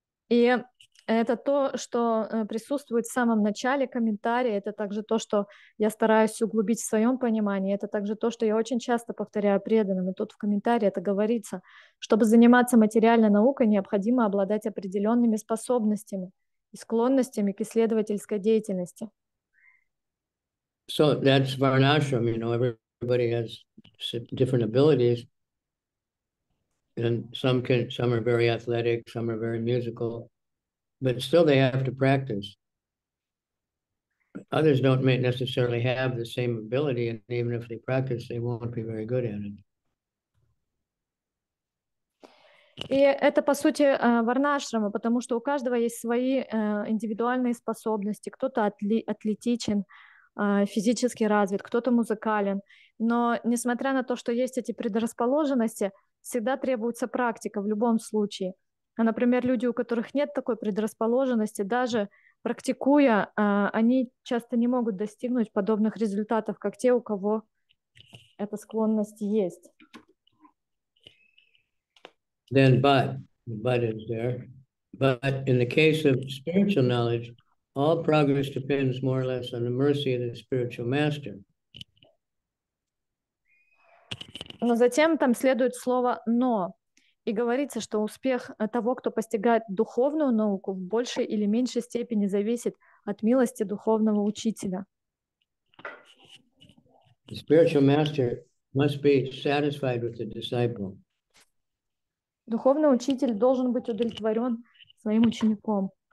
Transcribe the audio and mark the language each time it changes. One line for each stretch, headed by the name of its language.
Russian: И это то, что присутствует в самом начале комментария, это также то, что я стараюсь углубить в своем понимании, это также то, что я очень часто повторяю преданным, и тут в комментарии это говорится. Чтобы заниматься материальной наукой, необходимо обладать определенными способностями и склонностями к исследовательской деятельности.
English: So that's Varnashram, you know, everybody has different abilities. And some are very athletic, some are very musical, but still they have to practice. Others don't necessarily have the same ability, and even if they practice, they won't be very good at it.
Russian: И это, по сути, варнашрама, потому что у каждого есть свои индивидуальные способности. Кто-то атлетичен, физически развит, кто-то музыкален. Но несмотря на то, что есть эти предрасположенности, всегда требуется практика в любом случае. А, например, люди, у которых нет такой предрасположенности, даже практикуя, они часто не могут достигнуть подобных результатов, как те, у кого эта склонность есть.
English: Then but is there. But in the case of spiritual knowledge, all progress depends more or less on the mercy of the spiritual master.
Russian: Но затем там следует слово «но», и говорится, что успех того, кто постигает духовную науку, в большей или меньшей степени зависит от милости духовного учителя.
English: The spiritual master must be satisfied with the disciple.
Russian: Духовный учитель должен быть удовлетворен своим учеником.